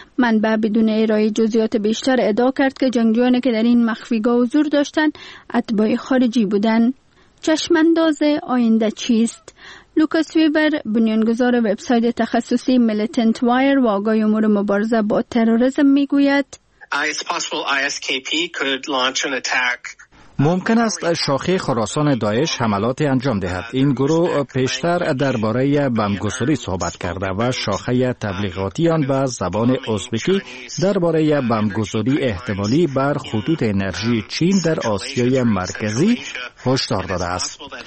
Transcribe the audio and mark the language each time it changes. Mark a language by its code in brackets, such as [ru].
[fa] منبع بدون ارائه جزئیات بیشتر ادعا کرد که جنگجویانی که در این مخفیگاه حضور داشتند اتباع خارجی بودند. چشمانداز آینده چیست؟ لوکاس ویبر، بنیانگذار وبسایت تخصصی ملتنت وایر و آگاه امور مبارزه با تروریسم میگوید [en] It's possible ISKP could launch an attack. [fa] ممکن است شاخه خراسان داعش حملات انجام دهد. این گروه پیشتر درباره بمب‌گذاری صحبت کرده و شاخه تبلیغاتی آن به زبان ازبکی درباره بمب‌گذاری احتمالی بر خطوط انرژی چین در آسیای مرکزی هشدار داده است.